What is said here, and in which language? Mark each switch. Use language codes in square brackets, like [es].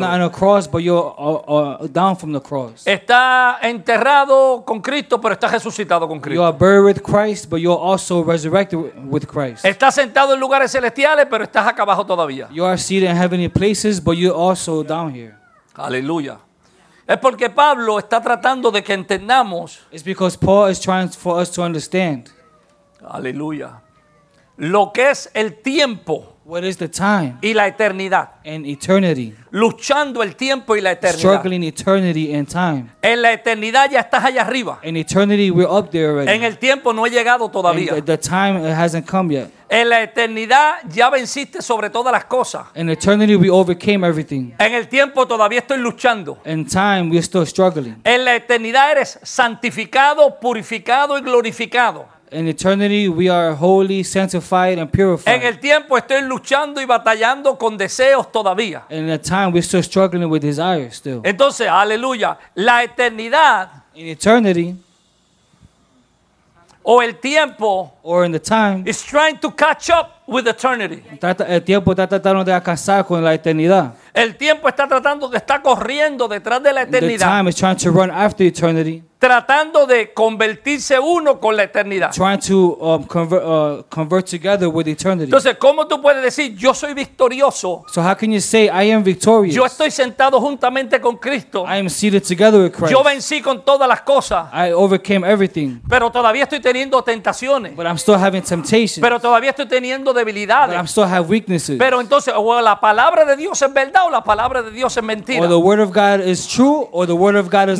[en] You're hanging on a cross, but you're down from the cross. [es] Estás enterrado con Cristo, pero estás resucitado con Cristo. [en] You are buried with Christ, but you're also resurrected with Christ. [es] Estás sentado en lugares celestiales, pero estás acá abajo todavía. [en] You are seated in heavenly places, but you're also down here. [es] Aleluya. Es porque Pablo está tratando de que entendamos. [en] It's because Paul is trying for us to understand. [es] Aleluya. Lo que es el tiempo. [en] What is the time? [es] Y la eternidad. [en] And eternity. [es] Luchando el tiempo y la eternidad. [en] Struggling eternity and time. [es] En la eternidad ya estás allá arriba. [en] In eternity we're up there already. [es] En el tiempo no he llegado todavía. [en] The time it hasn't come yet. [es] En la eternidad ya venciste sobre todas las cosas. [en] In eternity we overcame everything. [es] En el tiempo todavía estoy luchando. [en] In time we're still struggling. [es] En la eternidad eres santificado, purificado y glorificado. [en] In eternity, we are holy, sanctified, and purified. [es] En el tiempo estoy luchando y batallando con deseos todavía. [en] In the time, we're still struggling with desires still. [es] Entonces, aleluya, la eternidad. [en] In eternity. [es] O el tiempo. [en] Or in the time. Is trying to catch up with eternity. [es] El tiempo está tratando de alcanzar con la eternidad. El tiempo está tratando de estar corriendo detrás de la eternidad. [en] The time is trying to run after eternity. [es] Tratando de convertirse uno con la eternidad. [en] Trying to convert together with eternity. [es] Entonces, ¿cómo tú puedes decir yo soy victorioso? [en] So how can you say I am victorious? [es] Yo estoy sentado juntamente con Cristo. [en] I am seated together with Christ. [es] Yo vencí con todas las cosas. [en] I overcame everything. [es] Pero todavía estoy teniendo tentaciones. [en] But I'm still having temptations. [es] Pero todavía estoy teniendo debilidades. [en] But I still have weaknesses. [es] Pero entonces, o la palabra de Dios es verdad o la palabra de Dios es mentira. [en] Or the word of God is true or the word of God is